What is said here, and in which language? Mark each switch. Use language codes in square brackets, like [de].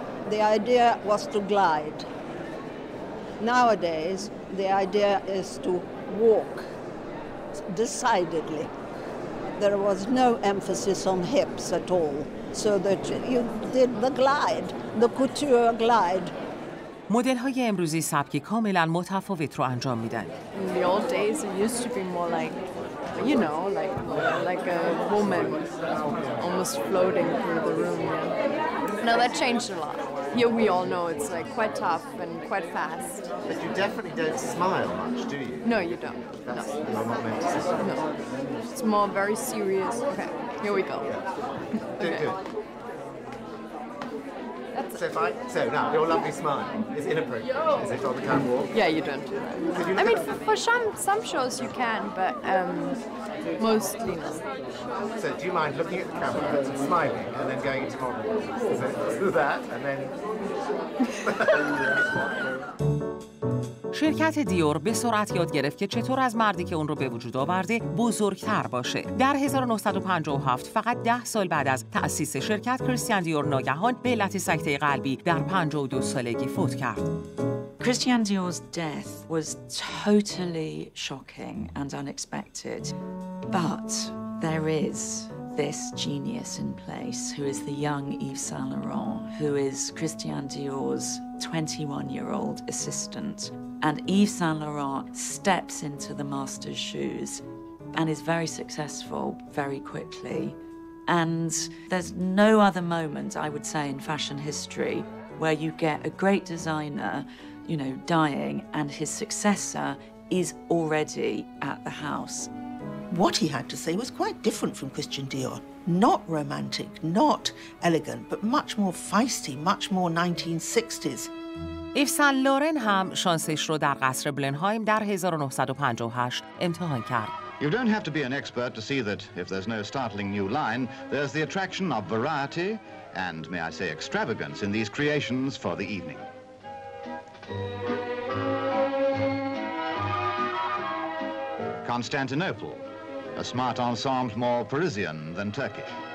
[en] The idea was to glide. Nowadays, the idea is to walk decidedly. There was no emphasis on hips at all, so that you did the glide, the couture glide. [fa] مدل‌های امروزی سبکی کاملاً متفاوت رو انجام میدن. [en] In the old days, it used to be more like, you know, like a woman almost floating through the room. Now that changed a lot. Here we all know it's like quite tough and quite fast. But you definitely don't smile much, do you? No, you don't. No, I'm not meant to say so. No. It's more very serious. Okay, here we go. Okay. So now your lovely smile is inappropriate. Is it on the catwalk? Yeah, you don't. I mean, for some shows you can, but mostly not. So do you mind looking at the camera, and smiling, and then going into modeling? Is it that, and then? [fa] شرکت دیور به سرعت یاد گرفت که چطور از مردی که اون رو به وجود آورده بزرگتر باشه. در 1957 فقط 10 سال بعد از تأسیس شرکت کریستیان دیور ناگهان به علت سکته قلبی در 52 سالگی فوت کرد. [en] Christian Dior's death was totally shocking and unexpected. But there is this genius in place who is the young Yves Saint Laurent, who is Christian Dior's 21-year-old assistant. And Yves Saint Laurent steps into the master's shoes and is very successful very quickly. And there's no other moment, I would say, in fashion history where you get a great designer, you know, dying, and his successor is already at the house. What he had to say was quite different from Christian Dior. Not romantic, not elegant, but much more feisty, much more 1960s. [fa] ایف سن لورن هم شانسش رو در قصر بلنهایم در 1958 امتحان کرد. [en] You don't have to be an expert to see that if there's no startling new line, there's the attraction of variety and, may I say, extravagance in these creations for the evening. Constantinople, a smart ensemble more Parisian than Turkish.